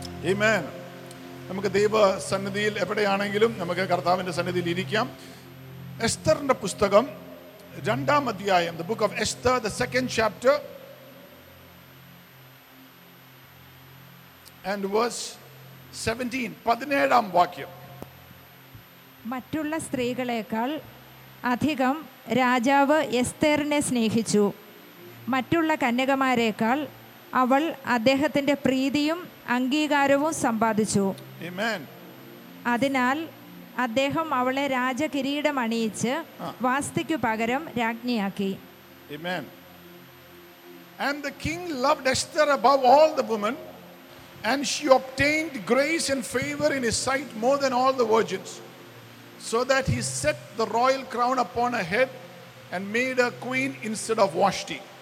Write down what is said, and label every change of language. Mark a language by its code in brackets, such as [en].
[ml] Amen നമുക്ക് ദൈവസന്നിധിയിൽ എവിടെയാണെങ്കിലും നമുക്ക് കർത്താവിൻ്റെ സന്നിധിയിൽ ഇരിക്കാം എസ്തറിൻ്റെ പുസ്തകം രണ്ടാം അധ്യായം [en] the book of Esther the second chapter and verse 17 [ml] പതിനേഴാം വാക്യം മറ്റുള്ള സ്ത്രീകളെക്കാൾ അധികം രാജാവ് എസ്തറിനെ സ്നേഹിച്ചു മറ്റുള്ള കന്യകമാരെക്കാൾ അവൾ അദ്ദേഹത്തിൻ്റെ പ്രീതിയും അംഗീകാരവും സമ്പാദിച്ചു അതിനാൽ അദ്ദേഹം അവളെ രാജകിരീടം അണിയിച്ച് വാസ്തിക്കു പകരം രാജ്ഞിയാക്കി [en] Amen. And the king loved Esther above all the women, and she obtained grace and favor in his sight more than all the virgins, so that he set the royal crown upon her head and made her queen instead of Vashti.